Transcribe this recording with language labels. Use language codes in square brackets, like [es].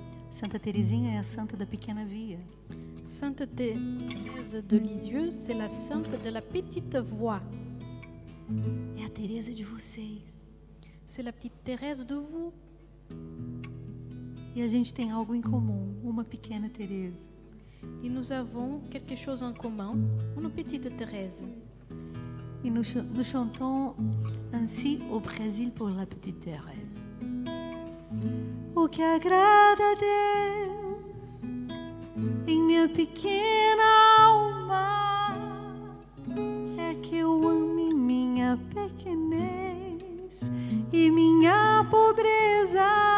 [pt] Santa Teresinha é a santa da pequena via. [fr] Santa Teresa de Lisieux, c'est la sainte de la petite voie. [pt] É a Teresa de vocês. [fr] C'est la petite Thérèse de vous. [pt] E a gente tem algo em comum, uma pequena Teresa. [fr] E nous avons quelque chose en commun, une petite Thérèse. E nous chantons ainsi au Brésil pour la petite Thérèse. [pt] O que agrada a Deus em minha pequena alma é que eu ame minha pequenez e minha pobreza.